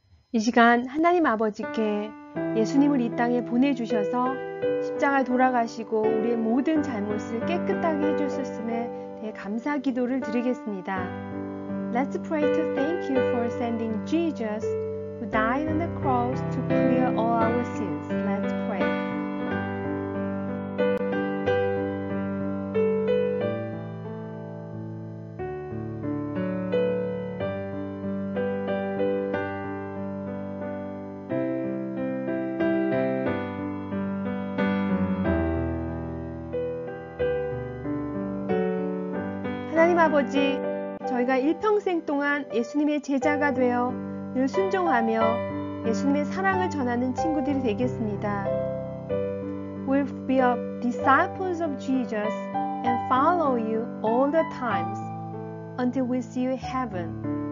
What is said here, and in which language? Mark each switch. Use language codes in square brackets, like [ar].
[ko] "이 시간 하나님 아버지께 예수님을 이 땅에 보내주셔서 십자가 돌아가시고 우리의 모든 잘못을 깨끗하게 해주셨음에 대해 감사 기도를 드리겠습니다. [en] Let's pray to thank you for sending Jesus who died on the cross to clear all our sins. Let's pray. [ko] 아버지, 저희가 일평생 동안 예수님의 제자가 되어 늘 순종하며 예수님의 사랑을 전하는 친구들이 되겠습니다. [en] We'll be a disciples of Jesus and follow you all the times until we see you in heaven.